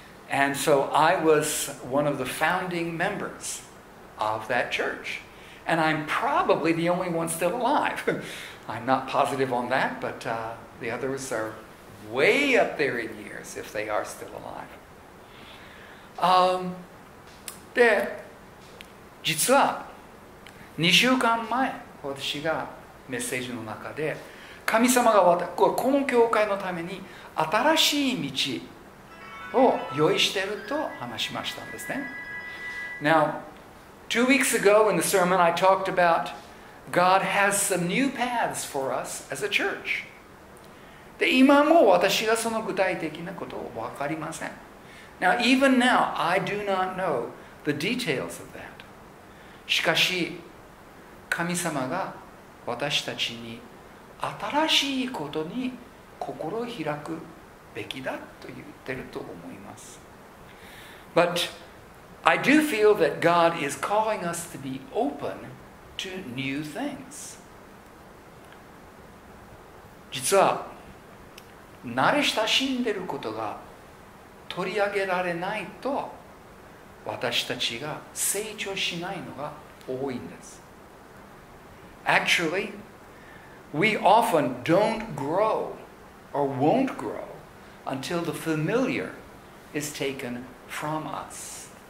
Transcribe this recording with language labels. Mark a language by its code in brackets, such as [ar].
[en] And so I was one of the founding members of that church. And I'm probably the only one still alive. I'm not positive on that, but the others are way up there in years if they are still alive. [ja] で、実は2週間前、私がメッセージの中で、神様がこの教会のために新しい道を用意していると話しましたんですね。 [en] Now, 2 weeks ago in the sermon, I talked about God has some new paths for us as a church. [ja] で、今も私がその具体的なことを分かりません。 [en] Now, even now, I do not know the details of that. [ja] しかし、神様が私たちに新しいことに心を開くべきだと言ってると思います。 [en] But I do feel that God is calling us to be open to new things. [ja] 実は、慣れ親しんでることが取り上げられないと私たちが成長しないのが多いんです。 [en] Actually, we often don't grow or won't grow until the familiar is taken from us.